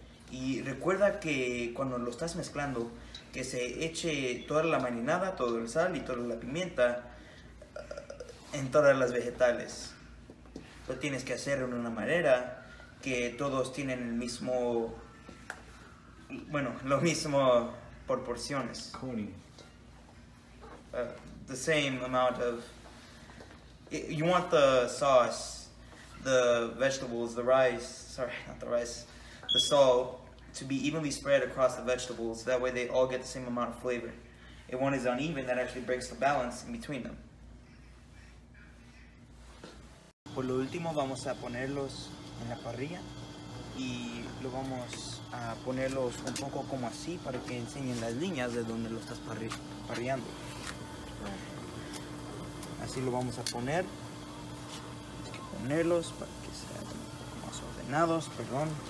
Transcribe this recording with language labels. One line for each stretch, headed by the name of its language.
Spanish: Y recuerda que cuando lo estás mezclando, que se eche toda la marinada, todo el sal y toda la pimienta en todas las vegetales. lo tienes que hacer de una manera que todos tienen el mismo, bueno, lo mismo por porciones. Cooning.
English: The same amount of, you want the sauce, the vegetables, the rice, sorry, not the rice, the salt, to be evenly spread across the vegetables, that way they all get the same amount of flavor. If one is uneven, that actually breaks the balance in between them.
Spanish: Por lo último, vamos a ponerlos en la parrilla y lo vamos a ponerlos un poco como así para que enseñen las líneas de donde lo estás parrillando. Así lo vamos a poner. Hay que ponerlos para que sean más ordenados, perdón.